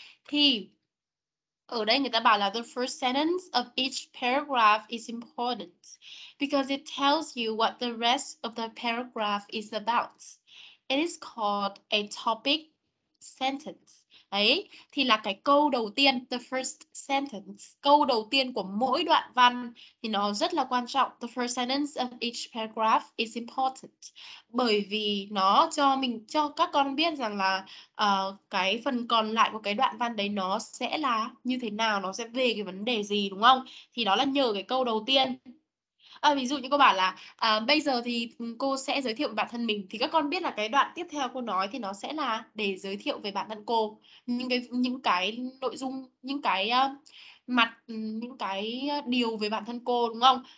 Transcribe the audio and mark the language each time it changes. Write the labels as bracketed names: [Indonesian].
[Vietnamese] Thì ở đây người ta bảo là [English] the first sentence of each paragraph is important because it tells you what the rest of the paragraph is about. It is called a topic sentence. [Vietnamese] Đấy, thì là cái câu đầu tiên, [English] the first sentence, [Vietnamese] câu đầu tiên của mỗi đoạn văn thì nó rất là quan trọng. [English] The first sentence of each paragraph is important. [Vietnamese] Bởi vì nó cho mình, cho các con biết rằng là cái phần còn lại của cái đoạn văn đấy nó sẽ là như thế nào, nó sẽ về cái vấn đề gì đúng không? Thì đó là nhờ cái câu đầu tiên. Ví dụ như cô bảo là bây giờ thì cô sẽ giới thiệu về bản thân mình, thì các con biết là cái đoạn tiếp theo cô nói thì nó sẽ là để giới thiệu về bản thân cô, những cái nội dung, những cái mặt, những cái điều về bản thân cô đúng không?